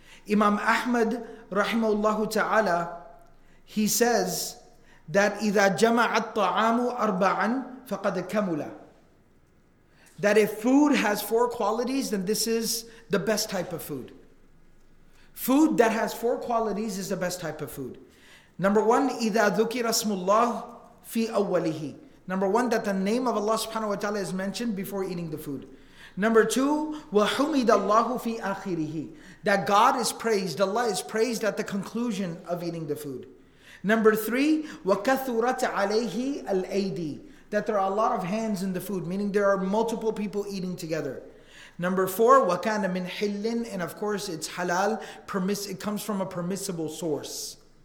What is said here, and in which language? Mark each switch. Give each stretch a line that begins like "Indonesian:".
English: Imam Ahmad rahimahullahu ta'ala, he says that
Arabic: إذا جمع الطعام أربعا فقد كملا.
English: That if food has four qualities, then this is the best type of food. Food that has four qualities is the best type of food. Number one,
Arabic: إذا ذكر اسم الله في أوله.
English: Number one, that the name of Allah subhanahu wa ta'ala is mentioned before eating the food. Number two,
Arabic: وحمد الله في آخره.
English: That God is praised, Allah is praised at the conclusion of eating the food. Number three,
Arabic: وَكَثُرَتْ عَلَيْهِ الْأَيْدِي.
English: that there are a lot of hands in the food, meaning there are multiple people eating together. Number four,
Arabic: وَكَانَ مِنْ حِلٍّ,
English: and of course it's halal, it comes from a permissible source.